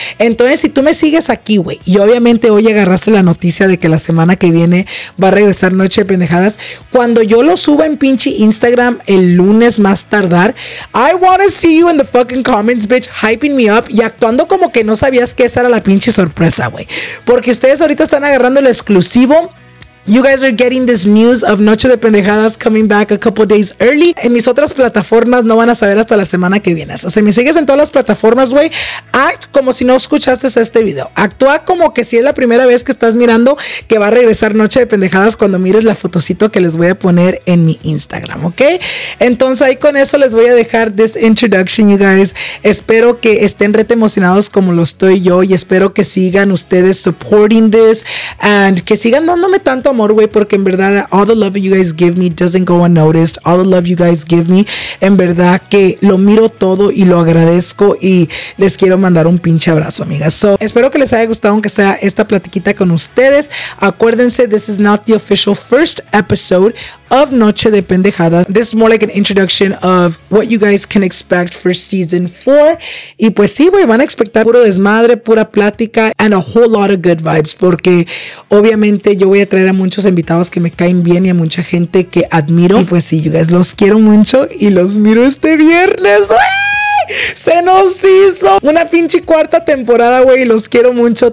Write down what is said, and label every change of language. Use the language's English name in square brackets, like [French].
[Spanish] Entonces, si tú me sigues aquí, güey, y obviamente hoy agarraste la noticia de que la semana que viene va a regresar Noche de Pendejadas, cuando yo lo suba en pinche Instagram el lunes más tardar, [English] I wanna see you in the fucking comments, bitch, hyping me up [Spanish] y actuando como que no sabías que esa era la pinche sorpresa, güey. Porque ustedes ahorita están agarrando el exclusivo. [English] You guys are getting this news of Noche de Pendejadas coming back a couple days early. [Spanish] En mis otras plataformas no van a saber hasta la semana que viene. O sea, si me sigues en todas las plataformas, güey, act como si no escuchaste este video. Actúa como que si es la primera vez que estás mirando que va a regresar Noche de Pendejadas cuando mires la fotocito que les voy a poner en mi Instagram, ¿ok? Entonces ahí con eso les voy a dejar [English] this introduction, you guys. [Spanish] Espero que estén rete emocionados como lo estoy yo, y espero que sigan ustedes [English] supporting this and [Spanish] que sigan dándome tanto amor, güey, porque en verdad [English] all the love you guys give me doesn't go unnoticed. All the love you guys give me, [Spanish] en verdad que lo miro todo y lo agradezco, y les quiero mandar un pinche abrazo, amigas. So, espero que les haya gustado aunque sea esta platiquita con ustedes. [English] Acuérdense, this is not the official first episode of Noche de Pendejadas. This is more like an introduction of what you guys can expect for season 4. [Spanish] Y pues sí, güey, van a expectar puro desmadre, pura plática, [English] and a whole lot of good vibes, [Spanish] porque obviamente yo voy a traer a muchos invitados que me caen bien y a mucha gente que admiro. Y pues sí, you guys, los quiero mucho y los miro este viernes. ¡Ay! Se nos hizo una pinche cuarta temporada, güey. Los quiero mucho.